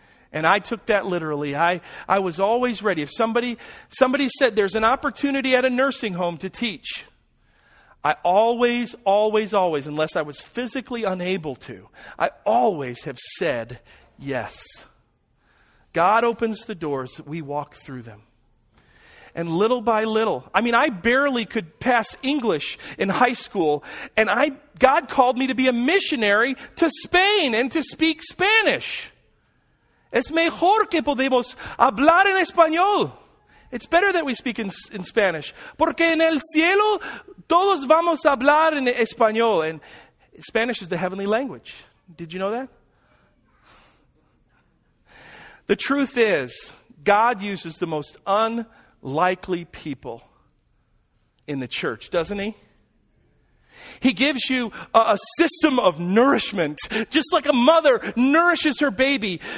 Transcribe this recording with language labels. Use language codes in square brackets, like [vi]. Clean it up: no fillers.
[en] And I took that literally. I was always ready. If somebody said there's an opportunity at a nursing home to teach, I always, unless I was physically unable to, I always have said yes. God opens the doors, we walk through them. And little by little, I mean, I barely could pass English in high school, and God called me to be a missionary to Spain and to speak Spanish. [es] Es mejor que podemos hablar en español. [en] It's better that we speak in Spanish. [es] Porque en el cielo todos vamos a hablar en español. [en] And Spanish is the heavenly language. Did you know that? The truth is, God uses the most unlikely people in the church, doesn't he? He gives you a system of nourishment, just like a mother nourishes her baby.